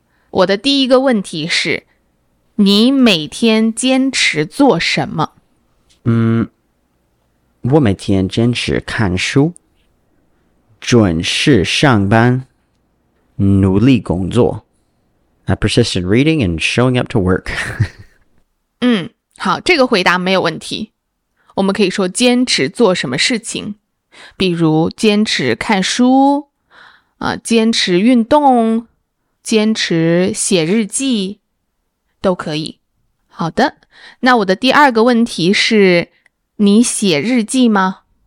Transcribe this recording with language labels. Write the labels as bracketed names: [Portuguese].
[Chinese] 我的第一个问题是，你每天坚持做什么？我每天坚持看书，准时上班，努力工作。 [English] I persisted reading and showing up to work. [Chinese] 嗯，好，这个回答没有问题。我们可以说坚持做什么事情，比如坚持看书，坚持运动，坚持写日记，都可以。好的，那我的第二个问题是，你写日记吗？